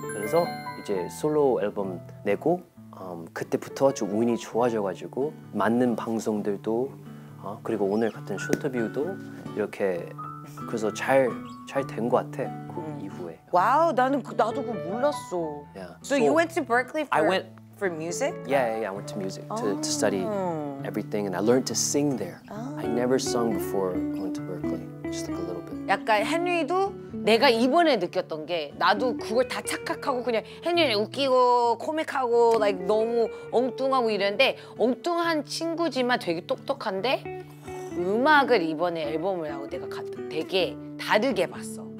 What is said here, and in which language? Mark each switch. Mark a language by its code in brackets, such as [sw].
[ko] 그래서 이제 솔로 앨범 내고 그때부터 좀 운이 좋아져가지고 맞는 방송들도 그리고 오늘 같은 쇼트뷰도 이렇게 그래서 잘 된 거 같아 그 이후에. 와우 나는 나도 그거 몰랐어. [en] Yeah. So you went to Berkeley for, I went, for music? Yeah, yeah, yeah, I went to music to study everything and I learned to sing there. I never sung before I went to Berkeley. Just like a little bit. [ko] 약간 헨리도 내가 이번에 느꼈던 게 나도 그걸 다 착각하고 그냥 헨리는 웃기고 코믹하고 like 너무 엉뚱하고 이랬는데 엉뚱한 친구지만 되게 똑똑한데 음악을 이번에 앨범을 하고 내가 되게 다르게 봤어.